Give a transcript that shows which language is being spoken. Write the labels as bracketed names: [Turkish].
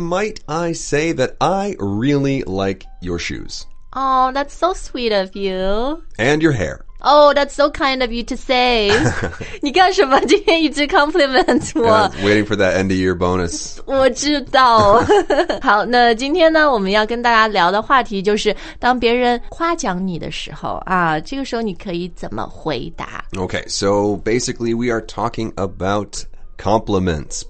[English] Might I say that I really like your shoes? Oh, that's so sweet of you. And your hair. Oh, that's so kind of you to say. [Chinese] 你干什么？今天一直 compliment 我。 [English] Yeah, waiting for that end of year bonus. [Chinese] 我知道。好，那今天呢，我们要跟大家聊的话题就是当别人夸奖你的时候啊，这个时候你可以怎么回答 [English] ？Okay, so basically we are talking about compliments.